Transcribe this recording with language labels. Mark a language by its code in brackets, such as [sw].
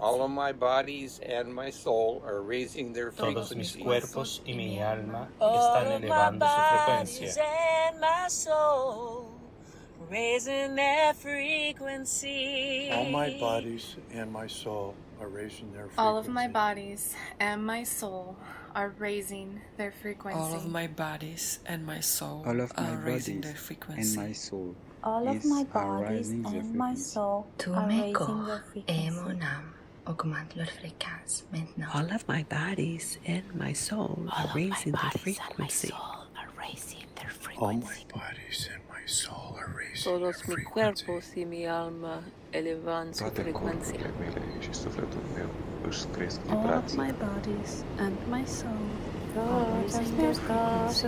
[en] All of my bodies and my soul are raising their frequency. [es] Todos mis cuerpos y mi alma están elevando su frecuencia. [en] Raising their frequency. All my bodies and my soul are raising their frequency. All of my bodies and my soul are raising their frequency. All of my bodies and my soul are raising their frequency. And my soul. All of my bodies and my soul are raising their frequency. All of my bodies and my soul are raising their frequency. All my bodies and my soul are raising their frequency. [es] Todos mis cuerpos y mi alma elevan su frequencia. [en] All of my bodies and my soul are raising their frequency.